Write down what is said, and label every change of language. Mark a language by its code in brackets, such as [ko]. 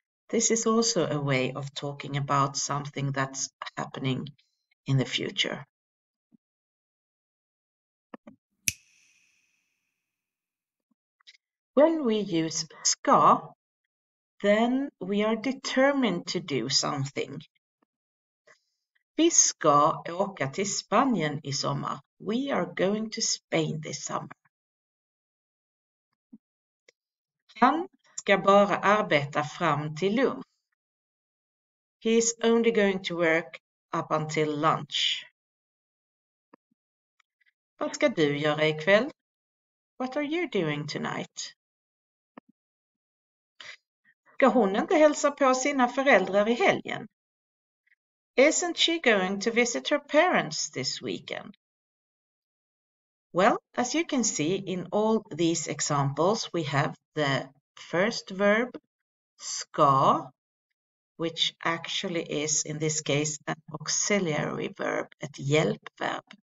[en] This is also a way of talking about something that's happening in the future. When we use ska, then we are determined to do something. [sv] Vi ska åka till Spanien i sommar. [en] We are going to Spain this summer. [sv] Han ska bara arbeta fram till lunch. [en] He is only going to work up until lunch. [sv] Vad ska du göra ikväll? [en] What are you doing tonight? [sv] Ska hon inte hälsa på sina föräldrar i helgen? [en] Isn't she going to visit her parents this weekend? Well, as you can see in all these examples, we have the first verb, ska, which actually is in this case an auxiliary verb, a hjälpverb.